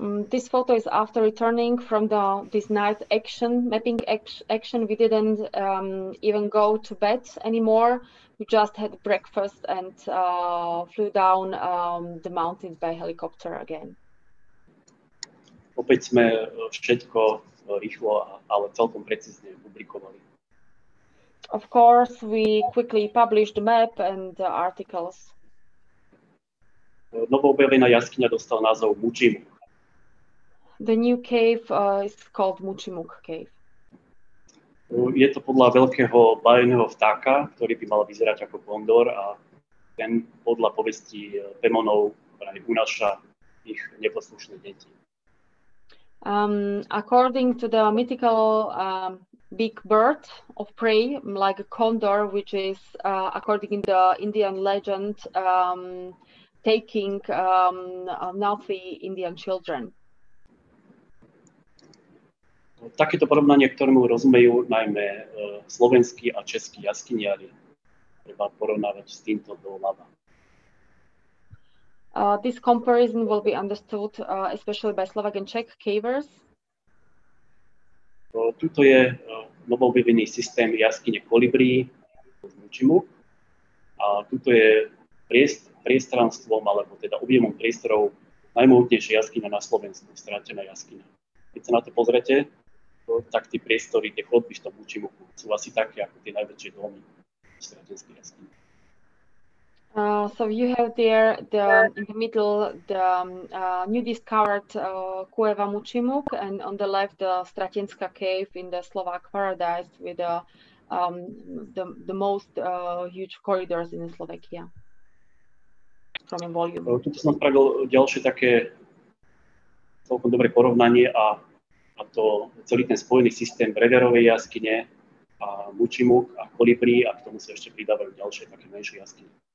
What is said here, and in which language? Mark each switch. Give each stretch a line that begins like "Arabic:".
English: This photo is after returning from this night action, mapping action. We didn't even go to bed anymore. We just had breakfast and flew down the mountains by helicopter again.
Slovak: Opäť sme všetko rýchlo, ale celkom precízne publikovali.
English: Of course, we quickly published the map and the articles.
Slovak: Novoobjavená jaskyňa dostala názov Muchimuk.
English: The new cave is called Muchimuk cave.
Slovak: Je to podľa veľkého bájeného vtáka, ktorý by mal vyzerať ako kondor, a ten podľa povesti pemonov práve unáša ich neposlušné deti.
English: According to the mythical big bird of prey, like a condor, which is according to the Indian legend taking naughty Indian children.
Slovak: Takéto porovnanie, ktorému rozumejú najmä slovenskí a českí jaskyniari, treba porovnávať s týmto do lava.
English: This comparison will be understood especially by Slovak and Czech cavers.
Slovak: Tuto je novoobjavený systém jaskyne kolibrí z Muchimuk. A tuto je priestranstvom, alebo teda objemom priestorov najmohutnejšia jaskyňa na Slovensku, stratená jaskyňa. Keď sa na to pozrete, tak tie priestory, tie chodby v tom Muchimuku sú asi také, ako tie najväčšie domy v stratenskej jaskyni.
English: So you have there the, in the middle the new discovered Cueva Muchimuk and on the left the Stratenská cave in the Slovak paradise with the most huge corridors in Slovakia. From in volume.
Slovak: Tuto som spravil ďalšie také celkom dobré porovnanie a to celý ten spojený systém Brewerovej jaskyne a Muchimuk a kolibri a k tomu sa ešte pridávajú ďalšie také menšie jaskyne.